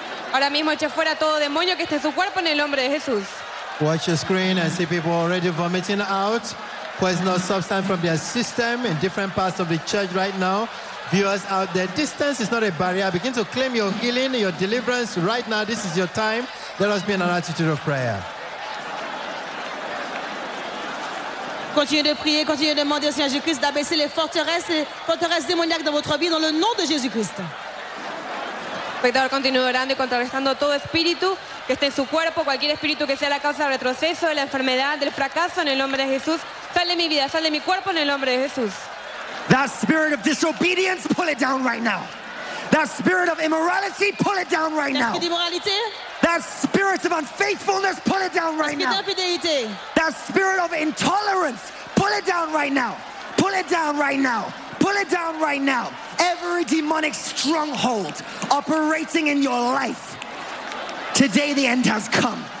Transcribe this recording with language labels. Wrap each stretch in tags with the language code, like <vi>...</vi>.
<es>Ahora mismo echa fuera todo demonio que esté en su cuerpo en el nombre de Jesús.</es> <en>Watch your screen and see people already vomiting out poisonous substance from their system in different parts of the church right now. Viewers out there, distance is not a barrier. Begin to claim your healing, your deliverance right now. This is your time. Let us be in an attitude of prayer.</en> <fr>Continuez de prier, continuez de demander au Seigneur Jésus-Christ d'abaisser les forteresses démoniaques dans votre vie dans le nom de Jésus-Christ.</fr> <es>Espectador, continúe orando y contrarrestando todo espíritu que esté en su cuerpo, cualquier espíritu que sea la causa del retroceso, de la enfermedad, del fracaso, en el nombre de Jesús. Sal de mi vida, sal de mi cuerpo, en el nombre de Jesús.</es> <en>That spirit of disobedience, pull it down right now. That spirit of immorality, pull it down right now. That spirit of unfaithfulness, pull it down right now. That spirit of intolerance, pull it down right now. Pull it down right now. Pull it down right now. Every demonic stronghold operating in your life, today the end has come.</en>